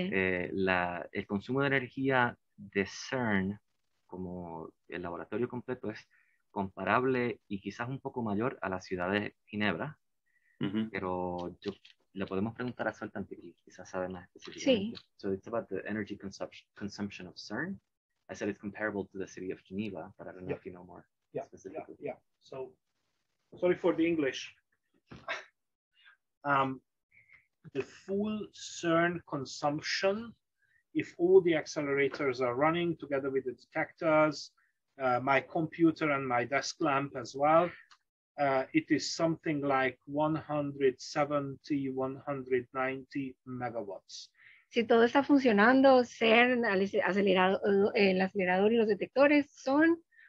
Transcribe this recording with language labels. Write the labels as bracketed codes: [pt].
[es] El consumo de energía de CERN, como el laboratorio completo, es comparable y quizás un poco mayor a la ciudad de Ginebra, uh-huh. Pero yo, le podemos preguntar a Soltan, que quizás sabe más específicamente. Sí. [en] So it's about the energy consumption of CERN. I said it's comparable to the city of Geneva, but I don't know if you know more. So, sorry for the English. The full CERN consumption, if all the accelerators are running together with the detectors, my computer and my desk lamp as well, it is something like 170, 190 megawatts. [es] Si todo está funcionando, CERN, el acelerador y los detectores son